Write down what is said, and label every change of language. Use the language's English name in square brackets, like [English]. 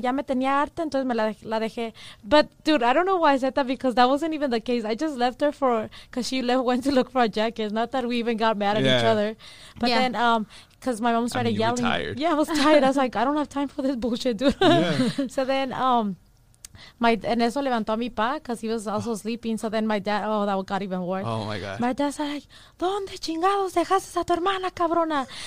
[Spanish] Ya me tenía harta, entonces me la dejé. [English] But, dude, I don't know why I said that because that wasn't even the case. I just left her for... Because she went to look for a jacket. Not that we even got mad at each other. But then... Because my mom started yelling. Tired. Yeah, I was tired. I was like, I don't have time for this bullshit, dude. Yeah. So then... My and [Spanish] eso levantó a mi pa [English] because he was also sleeping. So then my dad, oh, that got even worse. Oh my god. My dad's like, [Spanish] ¿dónde chingados dejaste a tu hermana, cabrona?